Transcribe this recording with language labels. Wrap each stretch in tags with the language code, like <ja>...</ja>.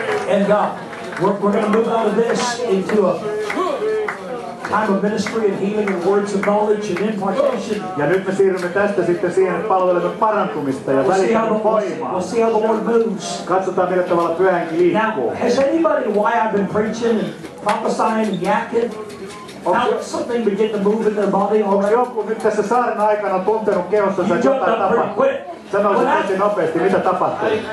<en>And God, we're going to move out of this into a time of ministry and healing and words of knowledge and impartation.</en> <fi>Ja nyt me siirrymme tästä sitten siihen, että palvelemme parantumista ja välittämme voimaa.</fi> <en>We'll see how the Lord moves.</en> <fi>Katsotaan, millä tavalla Pyhä Henki liikkuu.</fi> <en>Now, has anybody, why I've been preaching and prophesying and yakking? How something begin to move in their body already?</en> <fi>Joku nyt tässä saaren aikana tuntenut kehossa, että jotain tapahtuu. Sanoisin tosi nopeasti, mitä tapahtuu.</fi>